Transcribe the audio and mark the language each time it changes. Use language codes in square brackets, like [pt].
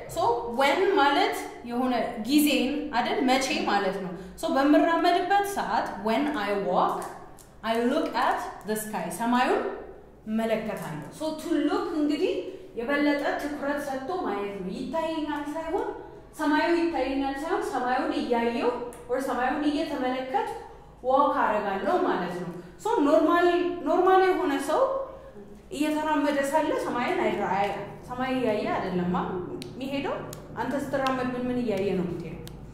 [am] So when ማለት የሆነ ጊዜን አይደል? መቼ ማለት ነው? [en] So በመራመድበት ሰዓት when I walk I look at the sky. [am] ሰማዩን መለከታለሁ። So to look እንግዲህ የበለጠ ትኩረት ሰጥቶ ማየት ነው። ይታየኛል ሳይሆን ሰማዩ ይታየኛል ሳይሆን ሰማዩን እያየሁ ወይ ሰማዩን እየተመለከት ዋክ አደርጋለሁ ማለት ነው። ሶ ኖርማል የሆነ ሰው እየተራመደ ሳለ ሰማይን አይራያ ሰማይ እያየ አይደለም የሚሄደው። አንተ ስትራመድ ምን እያየ ነው የምትሄደው?